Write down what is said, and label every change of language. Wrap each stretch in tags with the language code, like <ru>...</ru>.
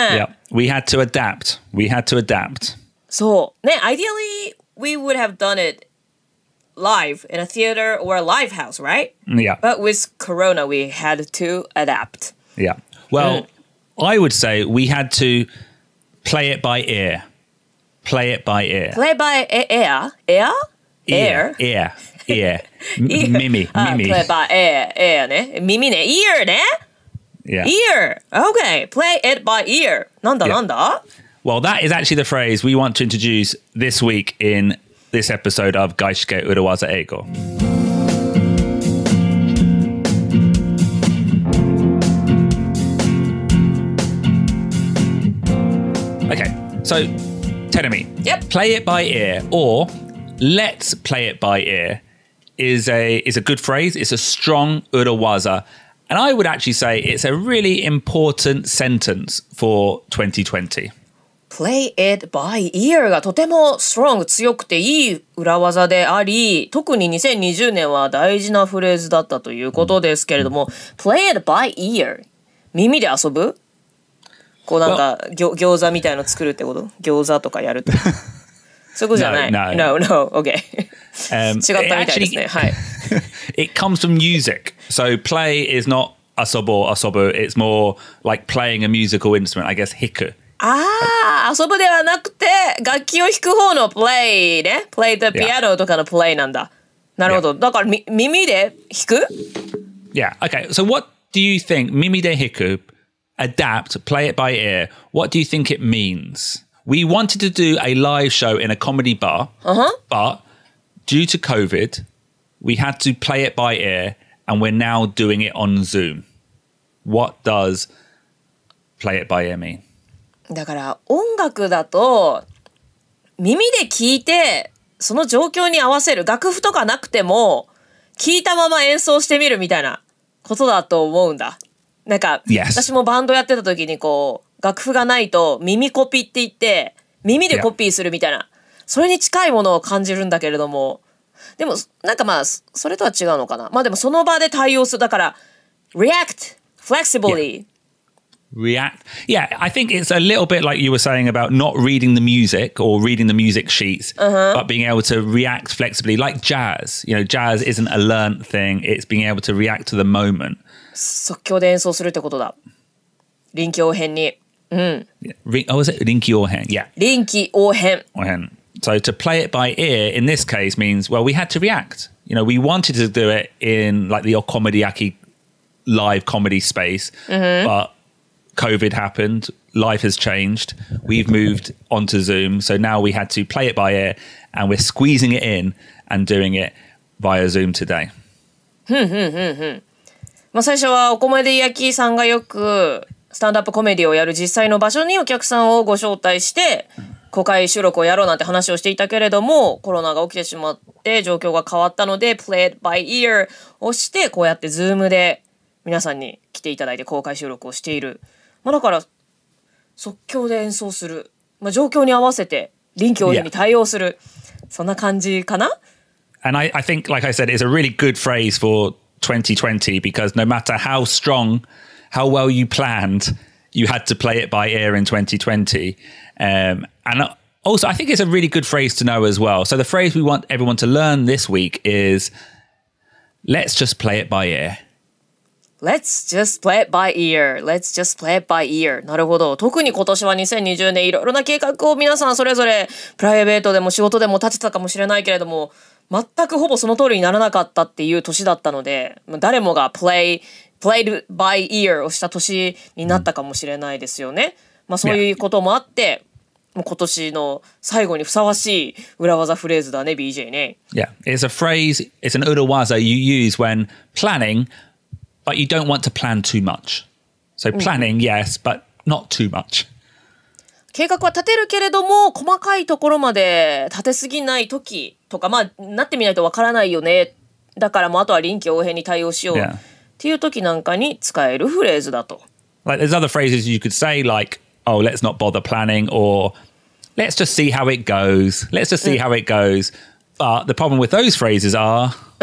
<en>Yeah, we had to adapt. We had to adapt.</en> <ja>そうね、</ja> <en>ideally we would have done it live in a theater or a live house, right? Yeah. But with Corona, we had to adapt. Yeah. Well,、I would say we had to play it by ear. Play it by ear. Play by ear. Ear. Ear. Ear. Ear. Mimi. Mimi. Play by ear. Ear. ね。Mimi ね。Ear ね。 Yeah. Ear! Okay, play it by ear.</en> <ja>なんだ、なんだ?</ja> <en>Well, that is actually the phrase we want to introduce this week in this episode of 外資系裏技英語. Okay, so, Tenami. Yep. Play it by ear, or let's play it by ear is a good phrase. It's a strong 裏技. And I would actually say it's a really important sentence for 2020.</en> <ja>Play it by ear がとてもストロング、強くていい裏技であり、特に2020年は大事なフレーズだったということですけれども、Play it by ear。耳で遊ぶ? こうなんか、well, 餃子みたいの作るってこと?餃子とかやるとか。そこじゃない。</ja> <en>No, no, no, no. Okay.</en> <ja>違ったみたいですね。</ja> <en>Actually,</en> <ja>はい。</ja> <en>It comes from music. So play is not asobo, asobo. It's more like playing a musical instrument, I guess, hiku.</en> <ja>Ah, asobo ではなくて楽器を弾く方の play ね。 Play the piano とかの play なんだ。なるほど。だから耳で弾く?</ja> <en>Yeah, okay. So what do you think, 耳で弾く, adapt, play it by ear, what do you think it means? We wanted to do a live show in a comedy bar, but due to COVID... We had to play it by ear, and we're now doing it on Zoom. What does play it by ear mean?</en> <ja>だから音楽だと耳で聞いてその状況に合わせる、楽譜とかなくても聞いたまま演奏してみるみたいなことだと思うんだ。なんか、</ja> <en>yes.</en> <ja>私もバンドやってた時にこう楽譜がないと耳コピーって言って耳でコピーするみたいな、yeah. それに近いものを感じるんだけれども、でもなんかまあそれとは違うのかな。まあでもその場で対応する、だから react flexibly、</ja> <en>yeah. react yeah I think it's a little bit like you were saying about not reading the music or reading the music sheets、 uh-huh. but being able to react flexibly like jazz, you know, jazz isn't a learned thing, it's being able to react to the moment.</en> <ja>即興で演奏するってことだ、臨機応変に、うん、</ja> <en>yeah. oh is it 臨機応変、yeah.</en> <ja>臨機応変、応変。</ja> <en>So to play it by ear in this case means, well, we had to react. You know, we wanted to do it in like the Okomediaki live comedy space,、 mm-hmm. but COVID happened, life has changed, we've moved onto Zoom. So now we had to play it by ear and we're squeezing it in and doing it via Zoom today.</en> <ja>まあ最初はおこまで焼きさんがよくスタンドアップコメディをやる実際の場所にお客さんをご招待して公開収録をやろうなんて話をしていたけれども、コロナが起きてしまって状況が変わったので、 Play it by ear をしてこうやって Zoom で皆さんに来ていただいて公開収録をしている。まあだから即興で演奏する、まあ、状況に合わせて臨機応変に対応する、そんな感じかな。</ja> <en>And I think, like I said, it's a really good phrase for 2020 because no matter how strong, how well you planned, you had to play it by ear in 2020. And also, I think it's a really good phrase to know as well. So the phrase we want everyone to learn this week is, let's just play it by ear. Let's just play it by ear. Let's just play it by ear.</en> <ja>なるほど。特に今年は2020年、いろいろな計画を皆さんそれぞれプライベートでも仕事でも立てたかもしれないけれども、全くほぼその通りにならなかったっていう年だったので、誰もが played by ear をした年になったかもしれないですよね。まあそういうこともあって、もう今年の最後にふさわしい裏技フレーズだね、BJ ね。</ja> <en>Yeah, it's a phrase, it's an 裏技 you use when planning, but you don't want to plan too much. So planning, yes, but not too much.</en> <ja>計画は立てるけれども、細かいところまで立てすぎない時とか、まあなってみないとわからないよね。だからもうあとは臨機応変に対応しよう。</ja> <en>Yeah.</en> <ja>っていう時なんかに使えるフレーズだと。</ja> <en>Like, there's other phrases you could say, like, oh, let's not bother planning, or let's just see how it goes. Let's just see how it goes. But the problem with those phrases are...</en>